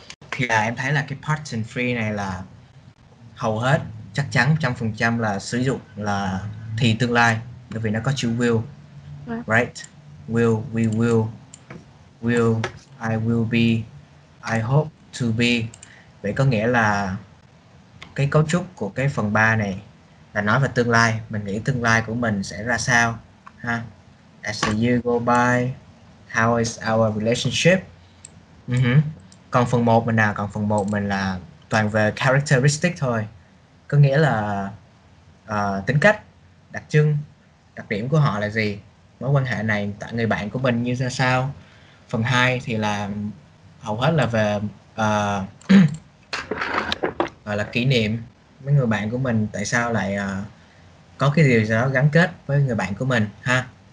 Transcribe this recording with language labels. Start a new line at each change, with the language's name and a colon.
Vietnamese: Thì là em thấy là cái pattern free này là hầu hết chắc chắn 100% là sử dụng là thì tương lai, bởi vì nó có chữ will.
English: Right? Will, we will, I will be, I hope to be.
Vietnamese: Vậy có nghĩa là cái cấu trúc của cái phần 3 này là nói về tương lai, mình nghĩ tương lai của mình sẽ ra sao ha.
English: As the year go by, how is our relationship?
Vietnamese: Còn phần 1 mình nào, còn phần 1 mình là toàn về characteristic thôi. Có nghĩa là tính cách, đặc trưng, đặc điểm của họ là gì, mối quan hệ này tại người bạn của mình như ra sao. Phần 2 thì là hầu hết là về là kỷ niệm mấy người bạn của mình, tại sao lại có cái điều gì đó gắn kết với người bạn của mình ha.